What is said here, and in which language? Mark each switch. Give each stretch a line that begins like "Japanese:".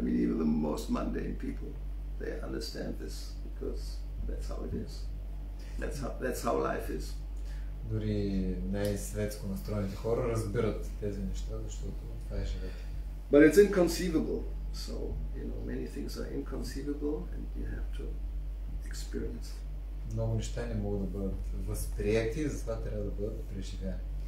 English: mean, even the most mundane people, they understand this because that's how it is. That's how life is.
Bulgarian: Дори най-светско настроените хора разбират тези неща, защото това е живота.
English: But it's inconceivable. So, you know, many things are inconceivable and you have to experience.
Bulgarian: Много неща не могат да бъдат възприети, затова трябва да бъдат преживяни.